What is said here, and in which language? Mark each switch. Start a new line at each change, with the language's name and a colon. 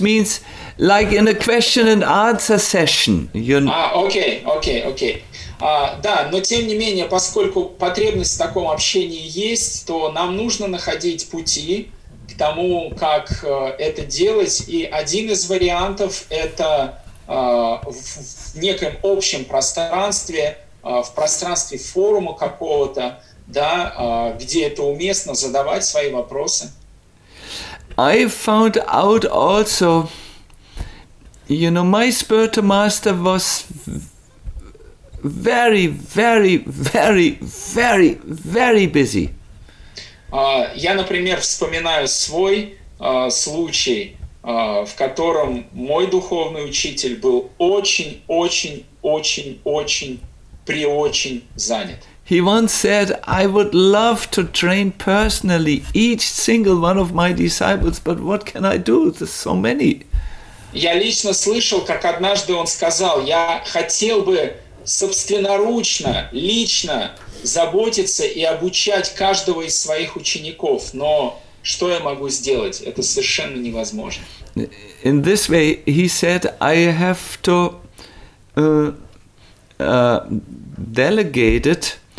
English: means like in a question and answer session. Okay.
Russian: Да, но тем не менее, поскольку потребность в таком общении есть, то нам нужно находить пути к тому, как это делать. И один из вариантов – это в неком общем пространстве, в пространстве форума какого-то, да, где это уместно, задавать свои вопросы.
English: I found out also, you know, my spiritual master was very, very, very, very, very busy.
Russian: Я, например, вспоминаю свой случай, в котором мой духовный учитель был очень занят.
English: He once said, I would love to train personally each single one of my disciples, but what can I do? There's so many.
Russian: Я лично слышал, как однажды он сказал, я хотел бы собственноручно, лично заботиться и обучать каждого из своих учеников, но что я могу сделать? Это совершенно невозможно.
English: In this way, he said, I have to delegate it.